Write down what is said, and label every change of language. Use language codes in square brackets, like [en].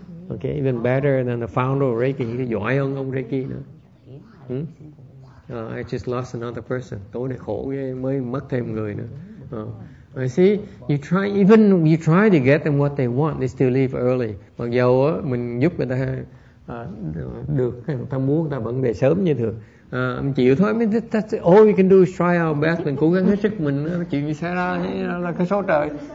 [en] Okay, even better than the founder of Reiki, [vi] giỏi hơn ông Reiki nữa. [en] I just lost another person. [vi] Tối nay khổ ghê, mới mất thêm người nữa. [en] I see, you try to get them what they want, they still leave early. [vi] Mặc dù mình giúp người ta được cái người ta muốn, người ta vẫn về sớm như thường. Mình chịu thôi. [en] That's all we can do is try our best. [vi] Mình cố gắng hết sức mình. Chuyện gì xảy ra là cái số trời.